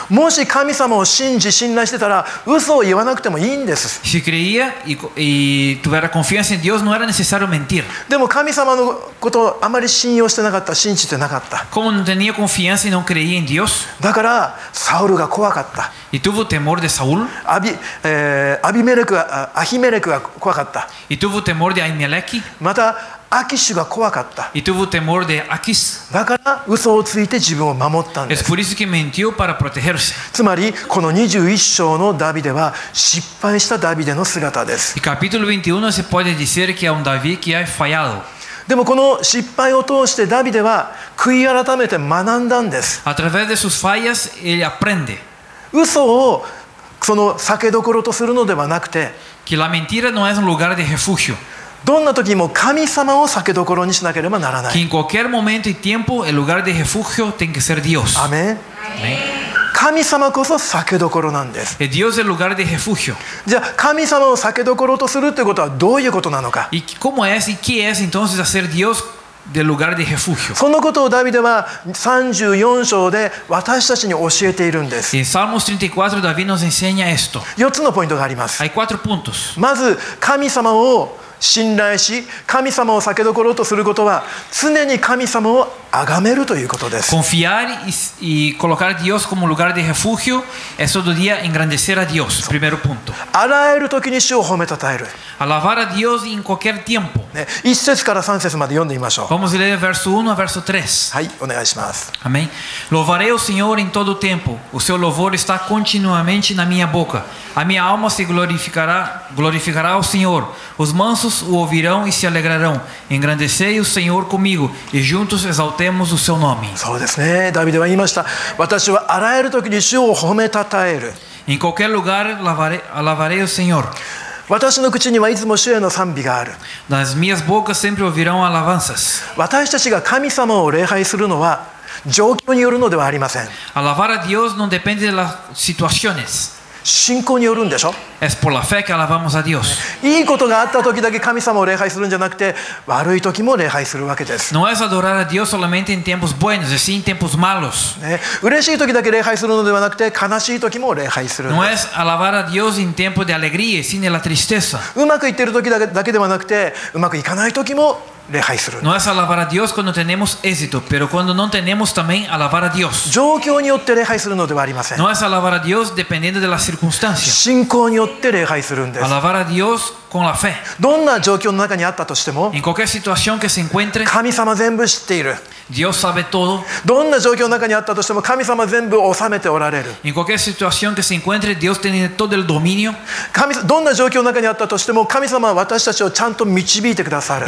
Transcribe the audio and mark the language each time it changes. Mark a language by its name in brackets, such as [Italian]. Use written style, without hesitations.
[Japanese] もし神様を信じ信頼してたら嘘を言わなくてもいいんです。 [Spanish] Si creía y tuviera confianza en Dios, no era necesario mentir. [Japanese] でも神様のことをあまり信用してなかった、信じてなかった。 [Spanish] Como no tenía confianza y no creía en Dios. [Japanese] だからサウルが怖かった。 [Spanish] Y tuvo temor de Saúl. [Japanese] アヒメレクが怖かった。 [Spanish] Y tuvo temor de Ahimelech. [Japanese] またアキシュが怖かった。 [Spanish] Y tuvo temor de Aquis. [Japanese] だから嘘をついて自分を守ったんです。 [Spanish] Es por eso que mintió para protegerse. [Japanese] つまりこの21章のダビデは失敗したダビデの姿です。 [Spanish] Y capítulo 21 se puede decir que a un David que ha fallado. [Japanese] でもこの失敗を通してダビデは悔い改めて学んだんです。 [Spanish] A través de sus fallas él aprende. [Japanese] 嘘をその酒どころとするのではなくて、 [Spanish] que la mentira no es un lugar de refugio. [Japanese] どんな時も神様を酒どころにしなければならない。 [Spanish] En cualquier momento y tiempo, el lugar de refugio tiene que ser Dios. Amén. Amén. [Japanese] 神様こそ酒どころなんです。 [Spanish] Dios es el lugar de refugio. [Japanese] じゃあ神様を酒どころとするということはどういうことなのか。 [Spanish] ¿Y cómo es y qué es entonces hacer Dios del lugar de refugio? [Japanese] そのことをダビデは34章で私たちに教えているんです。 [Spanish] En Salmos 34, David nos enseña esto. [Japanese] 4つのポイントがあります。 [Spanish] Hay 4 puntos. [Japanese] まず神様を信頼し神様を避けどころとすることは常に神様を崇めるということです。 [Spanish] Confiar y colocar a Dios como lugar de refugio es todo día engrandecer a Dios. Primer punto. [Japanese] あらゆる時に主を褒めたたえる。 [Spanish] Alabar a Dios en cualquier tiempo. [Japanese] 一節から三節まで読んでみましょう。 [Spanish] Vamos a leer verso 1 a verso 3. [Japanese] はい、お願いします。 [Spanish] Amén. [Portuguese] Louvaré al Señor en todo tiempo. O seu louvor está continuamente na minha boca. A minha alma se glorificará ao Senhor. Os mansos o ouvirão e se alegrarão. Engrandecei o Senhor comigo e juntos exaltarei. Temos o seu nome. [Japanese] そうですね。ダビデは言いました。私はあらゆる時に主を褒めたたえる。 [Portuguese] Em qualquer lugar, alabarei o Senhor. [Japanese] 私の口にはいつも主への賛美がある。 [Portuguese] Nas minhas bocas sempre ouvirão alabanças. [Japanese] 私たちが神様を礼拝するのは状況によるのではありません。 [Portuguese] Alabar a Deus não depende das situações. [Japanese] 信仰によるんでしょ。 [Spanish] Es por la fe que alabamos a Dios. [Japanese] いいことがあった時だけ神様を礼拝するんじゃなくて、悪い時も礼拝するわけです。 [Spanish] No es adorar a Dios solamente en tiempos buenos, es en tiempos malos. [Japanese] 嬉しい時だけ礼拝するのではなくて、悲しい時も礼拝するんです。 [Spanish] No es alabar a Dios en tiempo de alegría, sino en la tristeza. [Japanese] うまくいってる時だけではなくて、うまくいかない時も礼拝するんです。 [Spanish] No es alabar a Dios cuando tenemos éxito, pero cuando no tenemos también alabar a Dios. [Japanese] 状況によって礼拝するのではありません。 [Spanish] No es alabar a Dios dependiendo de las circunstancias. [Japanese] 信仰によって礼拝するんです。 [Spanish] Alabar a Dios con la fe. [Japanese] どんな状況の中にあったとしても、 [Spanish] en cualquier situación que se encuentre, [Japanese] 神様全部知っている。 [Spanish] Dios sabe todo. [Japanese] どんな状況の中にあったとしても神様全部治めておられる。 [Spanish] En cualquier situación que se encuentre, Dios tiene todo el dominio. [Japanese] どんな状況の中にあったとしても神様は私たちをちゃんと導いてくださる。